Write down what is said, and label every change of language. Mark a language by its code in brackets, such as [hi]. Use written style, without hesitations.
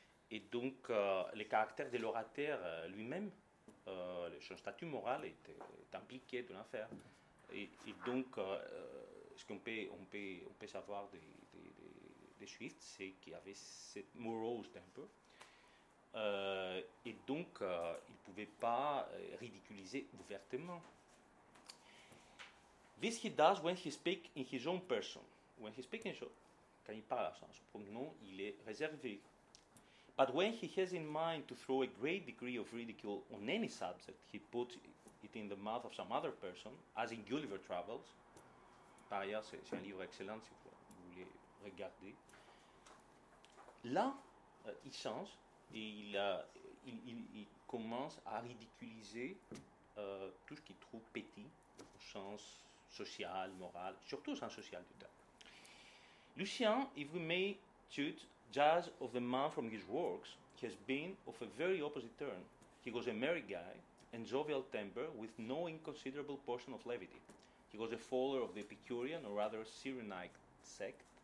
[fr] Et donc, le caractère de l'orateur lui-même, son statut moral est impliqué dans l'affaire. Et donc, ce qu'on peut savoir de Swift, c'est qu'il avait cette morose temper. Et donc, il ne pouvait pas ridiculiser ouvertement. [en] This he does when he speaks in his own person. When he speaks in [fr] quand il parle à son pronom, il est réservé. [en] But when he has in mind to throw a great degree of ridicule on any subject, he puts it in the mouth of some other person, as in Gulliver Travels. [fr] Par ailleurs, c'est un livre excellent si vous voulez regarder. Là, il change et il commence à ridiculiser tout ce qu'il trouve petit, au sens social, moral, surtout au sens social du terme. [en] Lucien, if we may judge of the man from his works, has been of a very opposite turn. He was a merry guy and jovial temper with no inconsiderable portion of levity. He was a follower of the Epicurean or rather Cyrenaic sect.